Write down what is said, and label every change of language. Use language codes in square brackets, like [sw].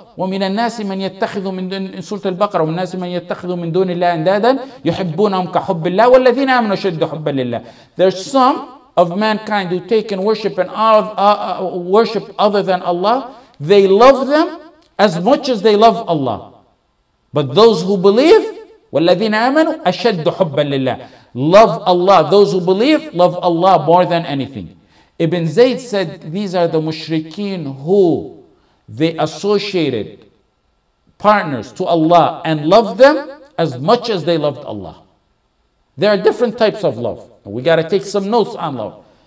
[ar] وَمِنَ النَّاسِ مَنْ يَتَّخِذُ مِنْ دُونِ سُورَةِ الْبَقَرَةِ وَالنَّاسِ مَنْ يَتَّخِذُ مِنْ دُونِ اللَّهِ أَنْدَادًا يُحِبُّونَهُمْ كَحُبِّ اللَّهِ وَالَّذِينَ آمَنُوا شَدُّ حُبَّ لِلَّهِ. [en] There's some of mankind who take in worship and worship other than Allah, they love them as much as they love Allah. But those who believe, [ar] وَالَّذِينَ آمَنُوا أَشَدُّ حُبَّ لِلَّهِ. [en] Love Allah. Those who believe, love Allah more than anything. Ibn Zayd said, these are the mushrikeen who they associated partners to Allah and loved them as much as they loved Allah. There are different types of love. We got to take some notes on love.